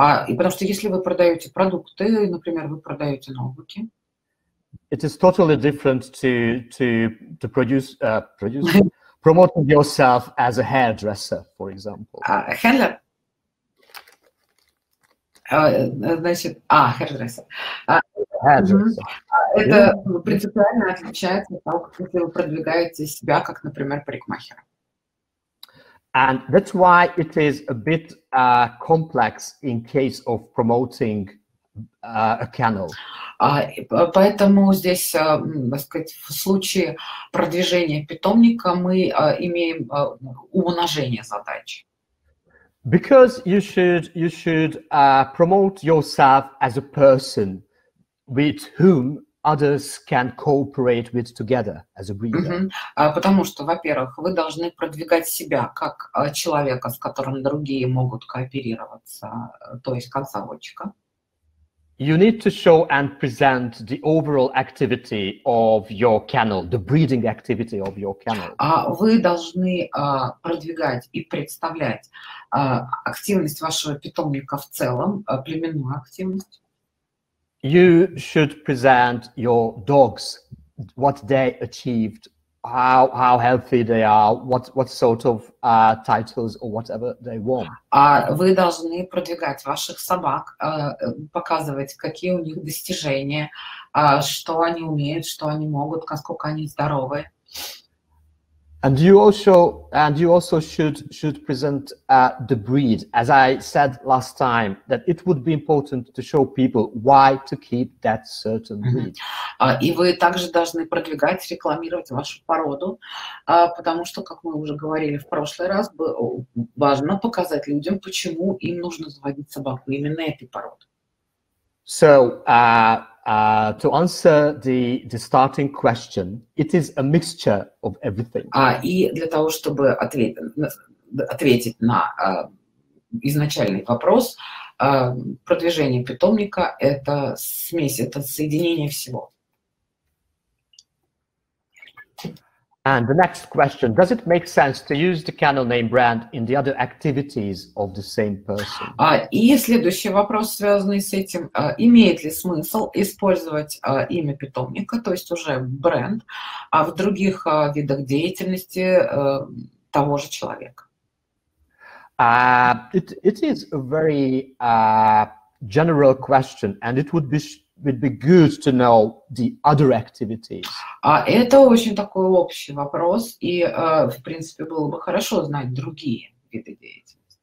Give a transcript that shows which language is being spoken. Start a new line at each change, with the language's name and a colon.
Russian: И потому что если вы продаете продукты, например, вы продаете ноутбуки.
English: It is totally different to produce promoting yourself as a hairdresser, for example.
Russian: Хендлер. Хендлер. Это принципиально отличается от того, как вы продвигаете себя, как, например, парикмахер.
English: And that's why it is a bit complex in case of promoting a kennel.
Russian: Поэтому здесь, так сказать, в случае продвижения питомника мы имеем умножение задач.
English: Because you should promote yourself as a person with whom others can cooperate with together as a breeder. Mm-hmm.
Russian: Потому что, во-первых, вы должны продвигать себя как человека, с которым другие могут кооперироваться, то есть как заводчика.
English: You need to show and present the overall activity of your kennel, the breeding activity of your kennel.
Russian: Вы должны продвигать и представлять активность вашего питомника в целом, племенную активность.
English: You should present your dogs, what they achieved, how healthy they are, what sort of titles or whatever they won.
Russian: Вы должны продвигать ваших собак, показывать, какие у них достижения, что они умеют, что они могут, насколько они здоровы.
English: And you also should present the breed, as I said last time, that it would be important to show people why to keep that certain breed.
Russian: И вы также должны продвигать, рекламировать вашу породу, потому что, как мы уже говорили в прошлый раз, важно показать людям, почему им нужно заводить собаку именно этой породы.
English: So to answer the starting question, it is a mixture of everything.
Russian: И для того, чтобы ответить на изначальный вопрос. Продвижение питомника – это смесь, это соединение всего.
English: And the next question, does it make sense to use the kennel name brand in the other activities of the same person?
Russian: И следующий вопрос, связанный с этим, имеет ли смысл использовать имя питомника, то есть уже бренд, в других видах деятельности того же человека?
English: It is a very general question, and it would be good to know the other activities.
Russian: Это очень такой общий вопрос, и в принципе было бы хорошо знать другие виды деятельности.